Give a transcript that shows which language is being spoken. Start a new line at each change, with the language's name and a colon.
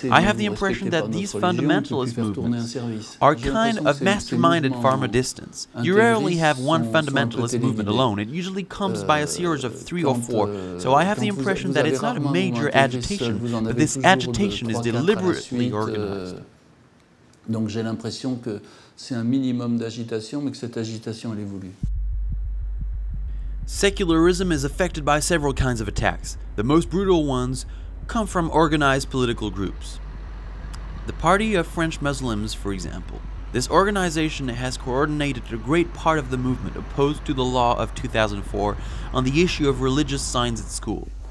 English: I have the impression that these fundamentalist movements are kind of masterminded from a distance. You rarely have one fundamentalist movement alone. It usually comes by a series of three or four. So I have the impression that it's not a major agitation, but this agitation is deliberately organized.
French: Donc j'ai l'impression que c'est un minimum d'agitation, mais que cette agitation elle évolue.
English: Secularism is affected by several kinds of attacks. The most brutal ones come from organized political groups. The Party of French Muslims, for example. This organization has coordinated a great part of the movement opposed to the law of 2004 on the issue of religious signs at school.